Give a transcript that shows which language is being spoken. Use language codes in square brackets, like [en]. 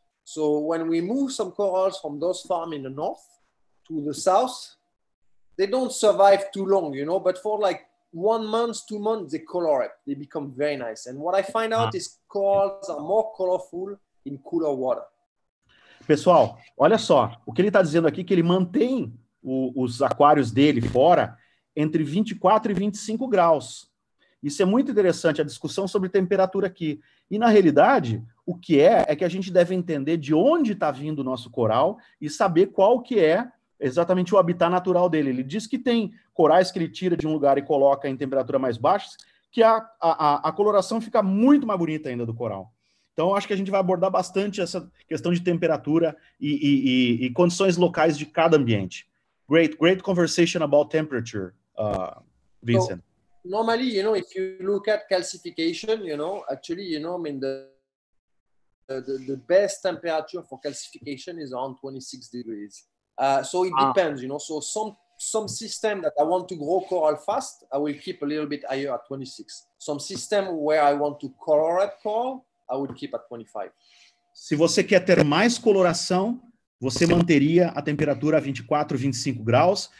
[en] So when we move some corals from those farms in the north to the south, they don't survive too long, you know, but for like 1 month, 2 months, they color up. They become very nice. And what I find out is corals are more colorful in cooler water. [pt] Pessoal, olha só. O que ele está dizendo aqui é que ele mantém os aquários dele fora entre 24 e 25 graus. Isso é muito interessante, a discussão sobre temperatura aqui. E, na realidade, o que é que a gente deve entender de onde está vindo o nosso coral e saber qual que é exatamente o habitat natural dele. Ele diz que tem corais que ele tira de um lugar e coloca em temperatura mais baixa, que a coloração fica muito mais bonita ainda do coral. Então, acho que a gente vai abordar bastante essa questão de temperatura e condições locais de cada ambiente. [en] Great, great conversation about temperature, Vincent. Oh. Normally, you know, if you look at calcification, you know, actually, you know, I mean, the best temperature for calcification is around 26 degrees. So it depends, you know. So some system that I want to grow coral fast, I will keep a little bit higher at 26. Some system where I want to color up coral, I would keep at 25. [pt] Se você quer ter mais coloração, você manteria a temperatura a 24, 25 graus.